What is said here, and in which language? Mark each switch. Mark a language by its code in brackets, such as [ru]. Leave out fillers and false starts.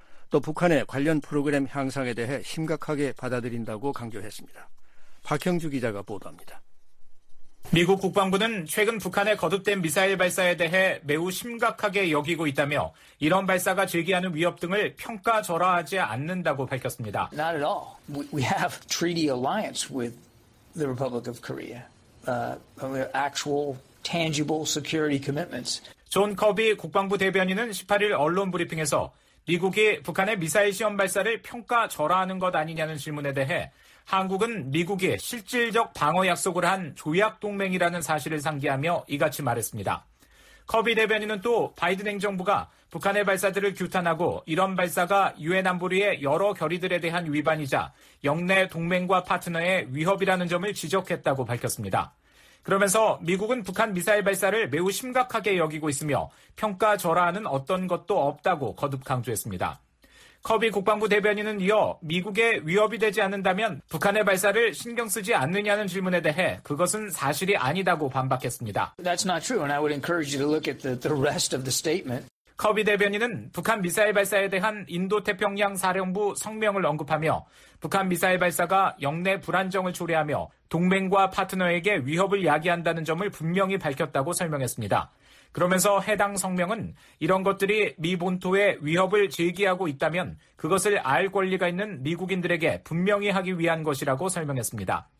[ko] 또 북한의 관련 프로그램 향상에 대해 심각하게 받아들인다고 강조했습니다. 박형주 기자가 보도합니다. 미국 국방부는 최근 북한의 거듭된 미사일 발사에 대해 매우 심각하게 여기고 있다며 이런 발사가 제기하는 위협 등을 평가절하하지 않는다고 밝혔습니다. [en] Not at all. We have treaty alliance with the Republic of Korea. Actual tangible security commitments. [ko] 존 커비 국방부 대변인은 18일 언론 브리핑에서 미국이 북한의 미사일 시험 발사를 평가절하하는 것 아니냐는 질문에 대해 한국은 미국이 실질적 방어 약속을 한 조약 동맹이라는 사실을 상기하며 이같이 말했습니다. 커비 대변인은 또 바이든 행정부가 북한의 발사들을 규탄하고 이런 발사가 유엔 안보리의 여러 결의들에 대한 위반이자 영내 동맹과 파트너의 위협이라는 점을 지적했다고 밝혔습니다. 그러면서 미국은 북한 미사일 발사를 매우 심각하게 여기고 있으며 평가절하하는 어떤 것도 없다고 거듭 강조했습니다. 커비 국방부 대변인은 이어 미국의 위협이 되지 않는다면 북한의 발사를 신경 쓰지 않느냐는 질문에 대해 그것은 사실이 아니다고 반박했습니다. [en] That's not true, and I would encourage you to look at the rest of the statement. [ko] 커비 대변인은 북한 미사일 발사에 대한 인도태평양 사령부 성명을 언급하며 북한 미사일 발사가 영내 불안정을 초래하며 동맹과 파트너에게 위협을 야기한다는 점을 분명히 밝혔다고 설명했습니다. 그러면서 해당 성명은 이런 것들이 미 본토에 위협을 제기하고 있다면 그것을 알 권리가 있는 미국인들에게 분명히 하기 위한 것이라고 설명했습니다.